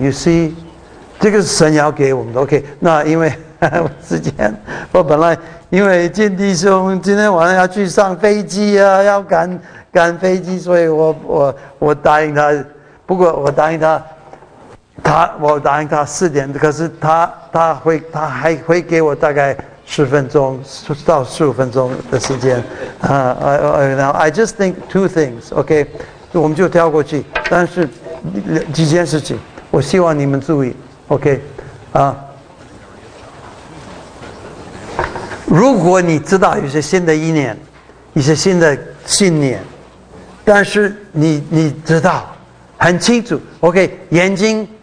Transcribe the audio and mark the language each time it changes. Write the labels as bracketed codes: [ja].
[en] You see， [zh] 这个是神要给我们的。OK， 那因为时间，我本来因为见弟兄今天晚上要去上飞机啊，要赶飞机，所以我答应他，不过我答应他。我答应他四点，可是他还会给我大概十分钟到十五分钟的时间。 [en] I just think two things, okay? [zh] 我们就跳过去，但是几件事情，我希望你们注意 ，okay？ 啊，如果你知道有些新的意念，一些新的信念，但是你知道很清楚 ，okay？ 眼睛。